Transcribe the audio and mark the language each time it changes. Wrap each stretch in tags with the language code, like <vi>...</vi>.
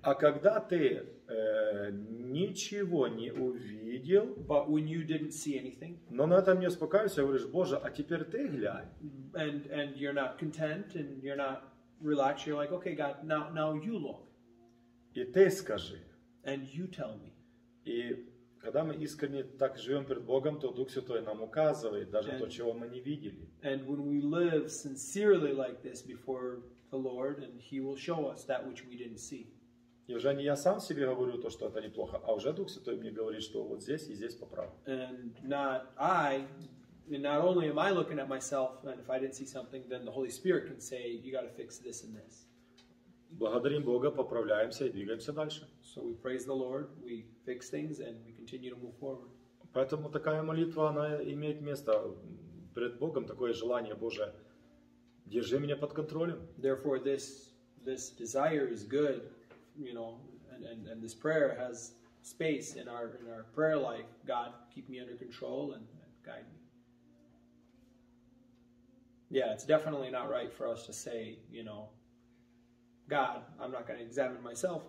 <ru>А когда ты ничего не увидел,</ru> <en>but when you didn't see anything,</en> <ru>но на этом не успокаиваешься, говоришь: «Боже, а теперь ты глянь».</ru> <en>And you're not content, and you're not relax, you're like, okay, God, now you look.</en> <ru>И ты скажи.</ru> <en>And you tell me.</en> <ru>И когда мы искренне так живем перед Богом, то Дух Святой нам указывает даже то, чего мы не видели.</ru> <en>And when we live sincerely like this before the Lord, and He will show us that which we didn't see.</en> <ru>И уже не я сам себе говорю то, что это неплохо, а уже Дух Святой мне говорит, что вот здесь и здесь поправь.</ru> <en>And not only am I looking at myself, and if I didn't see something, then the Holy Spirit can say, you got to fix this and this.</en> <ru>Благодарим Бога, поправляемся и двигаемся дальше.</ru> <en>So we praise the Lord, we fix things, and we continue to move forward.</en> <ru>Поэтому такая молитва, она имеет место перед Богом, такое желание: Боже, держи меня под контролем.</ru> <en>Therefore, this desire is good, you know, and this prayer has space in our prayer life. God, keep me under control and guide me. Yeah, it's definitely not right for us to say, you know, God, I'm not going to examine myself.</en>